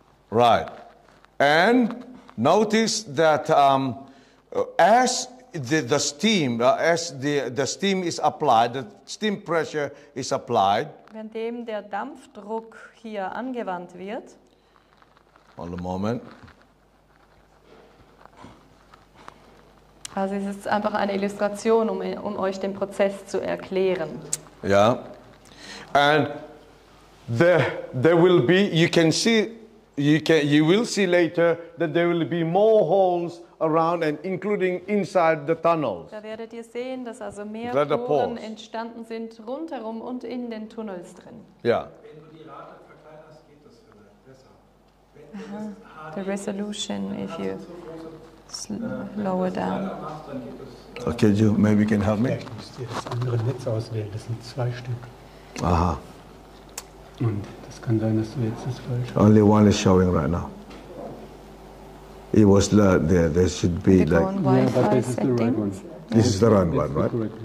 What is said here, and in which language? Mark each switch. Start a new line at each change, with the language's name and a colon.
English: Right. And notice that as the steam, as the steam is applied, the steam pressure is applied.
German: Wenn dem der Dampfdruck hier angewandt wird.
English: Hold a moment.
German: Also es ist einfach eine Illustration, um euch den Prozess zu erklären. Ja. Yeah.
English: And there will be, you will see later that there will be more holes around and including inside the tunnels.
German: Da werdet ihr sehen, dass also mehr Poren entstanden sind rundherum und in den Tunnels drin. Ja. Yeah. Wenn du die Rate verkleinerst, geht das besser.
English: The resolution, if you lower down. Okay, you maybe can help me.
German: Ich muss dir das andere Netz auswählen, das sind zwei Stück. Aha. Und das kann sein, dass du jetzt das falsch hast.
English: Only one is showing right now. It was there. There should be the like. Yeah, but this settings. Is the right one. No, this is the right one, right?